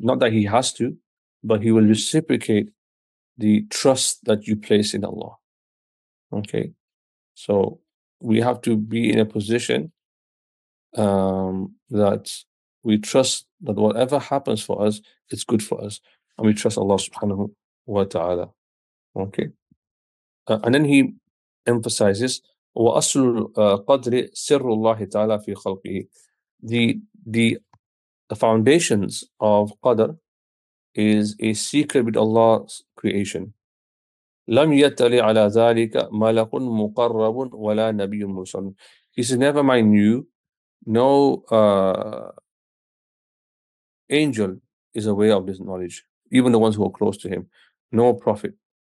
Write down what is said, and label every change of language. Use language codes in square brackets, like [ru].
[en] Not that He has to, but He will reciprocate the trust that you place in Allah. Okay, so we have to be in a position that we trust that whatever happens for us, it's good for us. And we trust Allah subhanahu wa ta'ala. Okay, and then he emphasizes, [ar] وَأَصْلُ الْقَدْرِ سِرُّ اللَّهِ تَعَالَى فِي خَلْقِهِ. [en] The foundations of Qadr is a secret with Allah's creation. [ar] لَمْ يَتَّلِ عَلَى ذَٰلِكَ مَلَقٌ مُقَرَّبٌ وَلَا نَبِيٌ مُرْسَلٌ. [en] He says, never mind you, no angel is aware of this knowledge, even the ones who are close to him, no prophet.